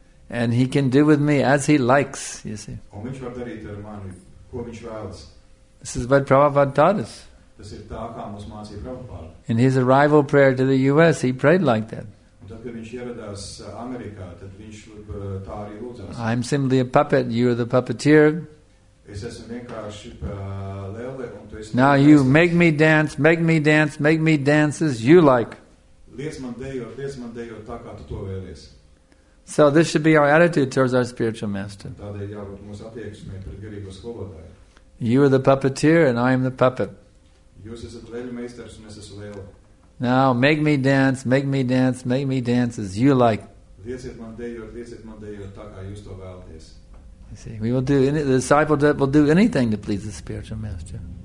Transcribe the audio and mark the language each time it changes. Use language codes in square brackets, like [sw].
[en] And he can do with me as he likes, you see. [lv] Un viņš var darīt ar mani, ko viņš vēlas. [en] This is what Prabhupada taught us. [lv] Tas ir tā, kā mums mācīja Prabhupada. [en] In his arrival prayer to the US, he prayed like that. [lv] Un tad, kad viņš ieradās Amerikā, tad viņš tā arī lūdzās. [en] I'm simply a puppet, you are the puppeteer. [lv] Es esmu vienkārši lēle, un tu esi... [en] Now you make me dance, make me dance, make me dance as you like. [lv] Liec man dejot tā, kā tu to vēlies. [en] So this should be our attitude towards our spiritual master. [lv] Tādēļ jābūt mūsu attieksmē pret garīgo skolotāju. [en] You are the puppeteer and I am the puppet. [lv] Jūs esat lēļu meistars un es esmu lēle. [en] Now make me dance, make me dance, make me dance as you like. [lv] Lieciet man dejot tā, kā jūs to vēlaties. [en] You see, we will do any, the disciple that will do anything to please the spiritual master.